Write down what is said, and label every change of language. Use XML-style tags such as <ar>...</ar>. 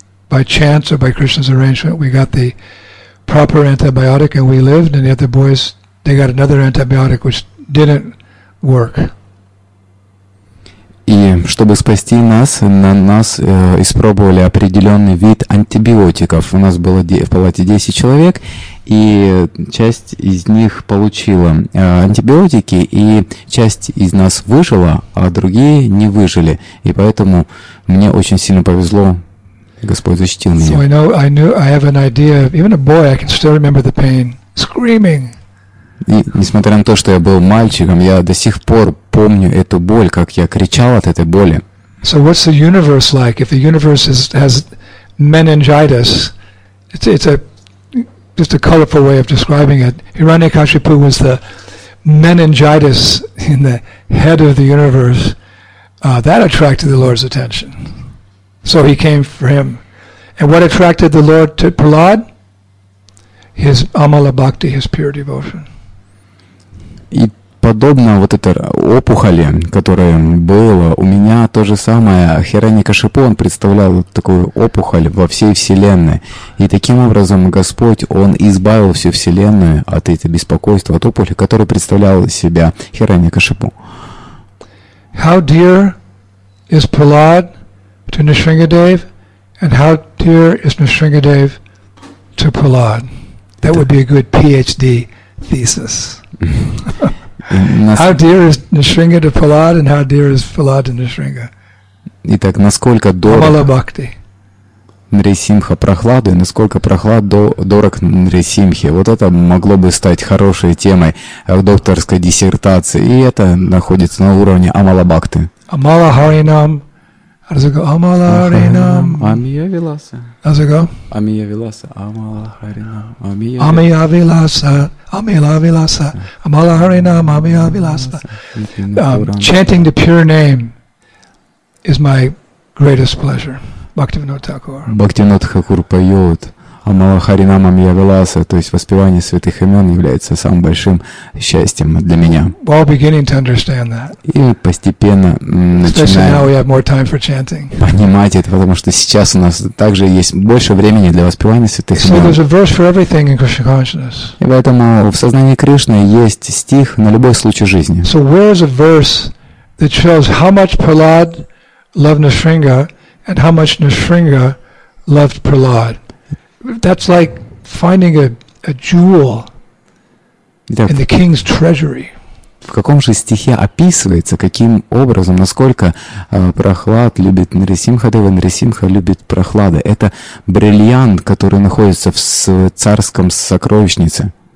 <en>By chance or by Krishna's arrangement, we got the proper antibiotic and we lived, and the other boys, they got another antibiotic, which didn't work.</en> <ru>И чтобы спасти нас, на нас испробовали определенный вид антибиотиков. У нас было в палате 10 человек, и часть из них получила антибиотики, и часть из нас выжила, а другие не выжили. И поэтому мне очень сильно повезло. Господь защитил меня.</ru> <en>So I know, I have an idea. Even a boy, I can still remember the pain, screaming.</en> <ru>И, несмотря на то, что я был мальчиком, я до сих пор помню эту боль, как я кричал от этой боли.</ru> <en>So what's the universe like if the universe has meningitis? It's just a colorful way of describing it. Hiranyakashipu was the meningitis in the head of the universe that attracted the Lord's attention. So he came for him. And what attracted the Lord to Prahlad? His Amala Bhakti, his pure devotion.</en> <ru>И подобно вот этой опухоли, которая была у меня, то же самое, Хираньякашипу, он представлял такую опухоль во всей вселенной. И таким образом Господь, он избавил всю вселенную от этого беспокойства, от опухоли, которая представляла себя Хираньякашипу.</ru> <en>How dear is Prahlad to Nrisimhadev, and how dear is Nrisimhadev to Prahlad? That would be a good PhD thesis. How dear is Nrisimha to Prahlad, and how dear is Prahlad to Nrisimha?</en> <ru>Итак, насколько дорог Амала Бхакти Нрисимха Прохладу, и насколько Прохлад дорог Нрисимхе. Вот это могло бы стать хорошей темой докторской диссертации, и это находится на уровне Амала Бхакти. Амала Харинам.</ru> <en>How does it go?</en> <ru>Амала Харинам. Амия Виласа.</ru> <en>How does it go?</en> <ru>Амия Виласа. Амала Харинам. Амия Виласа. Амила Виласа. Амала Харинам. Амия Виласа.</ru> <en>Chanting the pure name is my greatest pleasure.</en> <ru>Бхактивинода Тхакур. Бхактивинода Тхакур поет Амала Харинам Амия Виласа. То есть воспевание святых имен является самым большим счастьем для меня.</ru> <en>We're beginning to understand that.</en> <ru>И постепенно начинаем понимать это, потому что сейчас у нас также есть больше времени для воспевания святых имен.</ru> <en>So there's a verse for everything in Krishna consciousness.</en> <ru>И поэтому в сознании Кришны есть стих на любой случай жизни.</ru> <en>So where is a verse that shows how much Prahlad loved Nrisimha and how much Nrisimha loved Prahlad? That's like finding a jewel in the king's treasury.</en> <ru>В каком же стихе описывается, каким образом, насколько Прохлад любит Нрисимхадева, Нрисимха любит Прохлада? Это бриллиант, который находится в царском сокровищнице.</ru>